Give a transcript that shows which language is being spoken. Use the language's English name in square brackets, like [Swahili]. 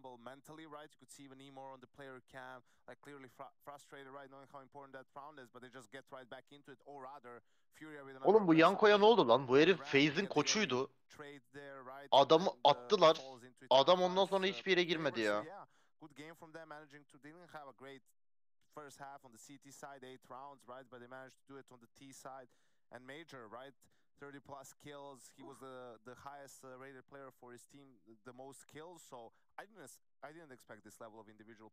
[English] Mentally right, you could see even Emor on the player cam, like clearly frustrated right, knowing how important that round is, but they just get right back into it, or rather, Fury with another. [Turkish] Oğlum bu Yanko'ya ne oldu lan? Bu herif FaZe'in koçuydu. Adamı attılar. Adam ondan sonra hiçbir yere girmedi ya. [English] Good game from them, managing to didn't have a great first half on the CT side, 8 rounds, right, but they managed to do it on the T side and Major, right? 30 plus kills, he was the highest rated player for his team, the most kills, so I didn't expect this level of individual.